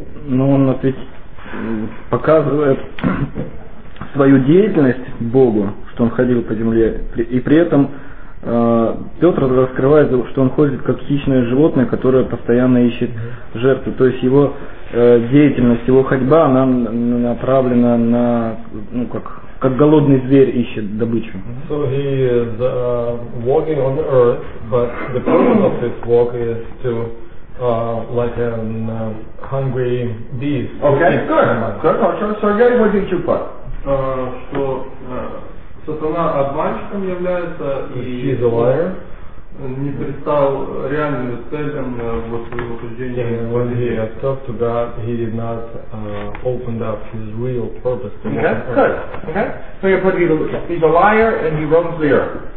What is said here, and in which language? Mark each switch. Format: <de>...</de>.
<ru>Ну, он показывает свою деятельность Богу, что он ходил по земле, и при этом Петр раскрывает, что он ходит как хищное животное, которое постоянно ищет жертву. То есть его деятельность, его ходьба, она направлена на, ну, как голодный зверь ищет добычу.</ru> <en>So he is walking on the earth, but the purpose of his walk is to like a hungry beast. Okay, good. So Gary, what did you put?</en> <ru>Что сатана обманщиком является, и</ru> <en>he's a liar.</en> <ru>Не предстал реальным целям вот его суждения.</ru> <en>And when he had talked to God, he did not opened up his real purpose. Okay, good. Okay. So you put he's a liar and he roams the earth.</en>